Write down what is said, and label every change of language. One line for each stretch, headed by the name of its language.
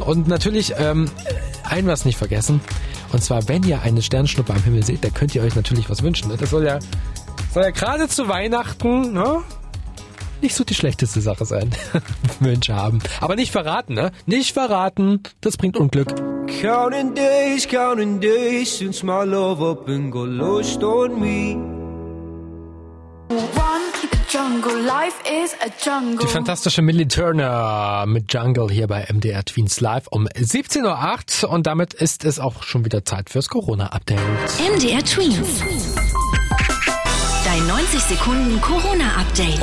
German: Und natürlich ein was nicht vergessen. Und zwar, wenn ihr eine Sternschnuppe am Himmel seht, dann könnt ihr euch natürlich was wünschen. Ne? Das soll ja gerade zu Weihnachten, ne? Nicht so die schlechteste Sache sein. Wünsche haben. Aber nicht verraten, ne? Nicht verraten, das bringt Unglück.
English: Counting days since my love up and got lost on me.
German: Die fantastische Millie Turner mit Jungle hier bei MDR Twins Live um 17.08 Uhr. Und damit ist es auch schon wieder Zeit fürs Corona-Update. MDR Twins. 90 Sekunden Corona-Update.